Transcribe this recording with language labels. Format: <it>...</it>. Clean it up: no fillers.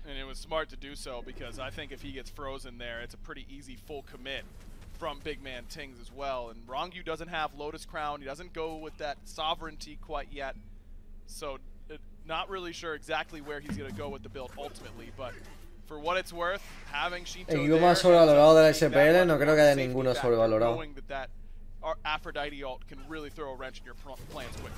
<en>And it was smart to do so, because I think if he gets frozen there, it's a pretty easy full commit from big man Tings as well. And Rongyu doesn't have Lotus Crown. He doesn't go with that sovereignty quite yet. So not really sure exactly where he's going to go with the build ultimately, but for what it's worth, having Shinto there...</en> <es>más sobrevalorado de la SPL, no creo que haya ninguno sobrevalorado.</es> <en>Our Aphrodite ult can really throw a wrench in your plans quick.</en>